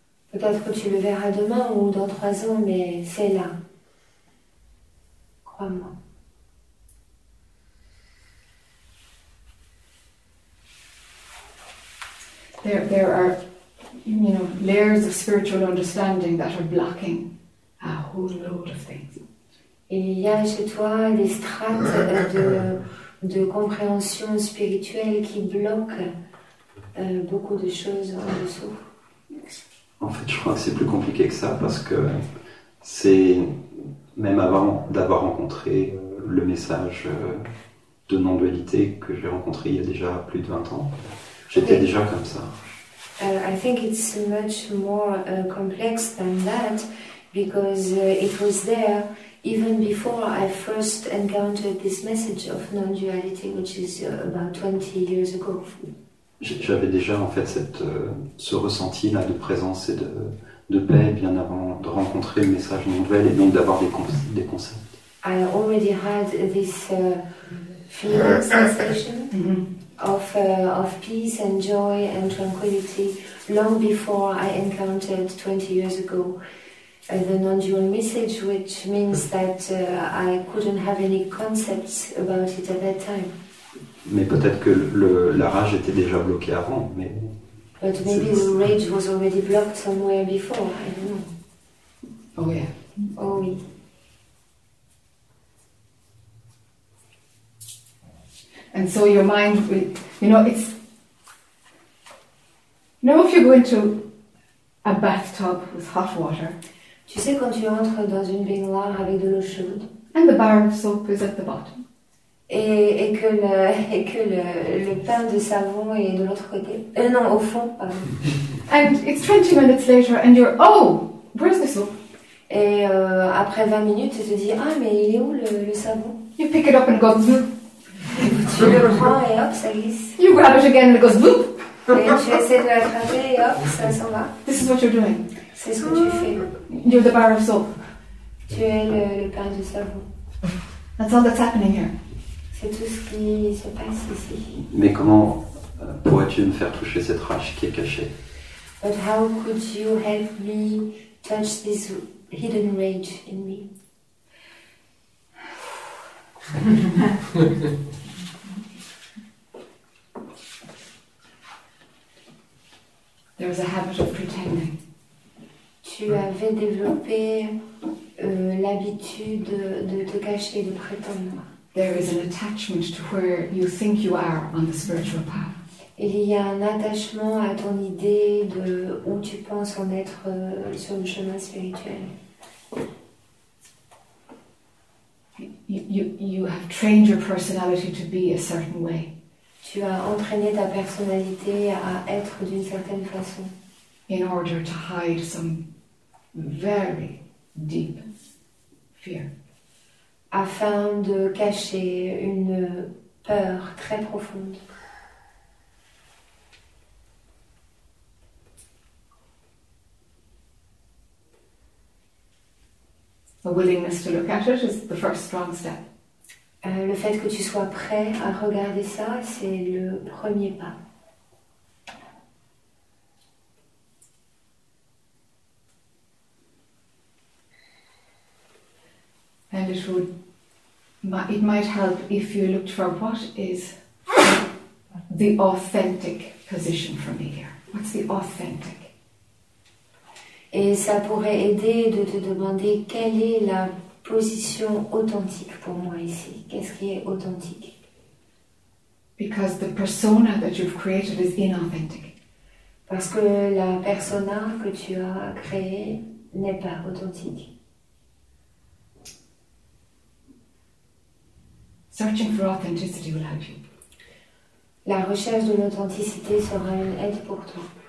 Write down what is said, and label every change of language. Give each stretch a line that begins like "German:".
French: Peut-être que tu le verras demain ou dans 3 ans, mais c'est là. Crois-moi.
English: There are you know, layers of spiritual understanding that are blocking a whole load of things.
French: Il y a chez toi des strates de compréhension spirituelle qui bloquent beaucoup de choses en dessous. En fait, je crois que c'est plus compliqué que ça parce que c'est même avant d'avoir rencontré le message de non-dualité que j'ai rencontré il y a déjà plus de 20 ans, j'étais okay. déjà comme ça.
English: I think it's much more complex than that because it was there even before I first encountered this message of non-duality, which is about 20 years ago.
French: J'avais déjà en fait cette, ce ressenti là de présence et de paix bien avant de rencontrer le message nouvel et donc d'avoir des concepts.
English: I already had this feeling sensation of peace and joy and tranquility long before I encountered 20 years ago the non-dual message, which means that I couldn't have any concepts about it at that time.
French: Mais peut-être que la rage était déjà bloquée avant, mais...
English: But maybe the rage was already blocked somewhere before, I don't know. Oh yeah.
French: Oh oui.
English: And so your mind will... You know, it's... You know, if you go into a bathtub with hot water...
French: Tu sais, quand tu entres dans une baignoire avec de l'eau chaude...
English: And the bar of soap is at the bottom.
French: Et que le pain de savon est de l'autre côté. Non, au fond, pardon.
English: And it's 20 minutes later and you're, oh, where's the soap?
French: Et après 20 minutes, tu te dis, ah, mais il est où le savon?
English: You pick it up and it goes, boop.
French: Tu le prends et hop, ça glisse.
English: You grab it again and it goes, boop.
French: Et tu essaies de l'attraper et hop, ça s'en va.
English: This is what you're doing.
French: C'est ce que tu fais.
English: You're the bar of soap.
French: Tu es le pain de savon.
English: That's all that's happening here.
French: C'est tout ce qui se passe ici. Mais comment pourrais-tu me faire toucher cette rage qui est cachée?
English: But how could you help me touch this hidden rage in me? There was a habit of pretending.
French: Tu avais développé l'habitude de te cacher, de prétendre.
English: There is an attachment to where you think you are on the spiritual path.
French: Il y a un attachement à ton idée de où tu penses en être sur le chemin spirituel.
English: You have trained your personality to be a certain way.
French: Tu as entraîné ta personnalité à être d'une certaine façon.
English: In order to hide some very deep fear.
French: Afin de cacher une peur très profonde.
English: A willingness to look at it is the first strong step.
French: Le fait que tu sois prêt à regarder ça, c'est le premier pas.
English: And it would... It might help if you looked for what is the authentic position for me here. What's the authentic?
French: Et ça pourrait aider de te demander quelle est la position authentique pour moi ici. Qu'est-ce qui est authentique?
English: Because the persona that you've created is inauthentic.
French: Parce que la persona que tu as créée n'est pas authentique.
English: Searching for authenticity will help you.
French: La recherche de l'authenticité sera une aide pour toi.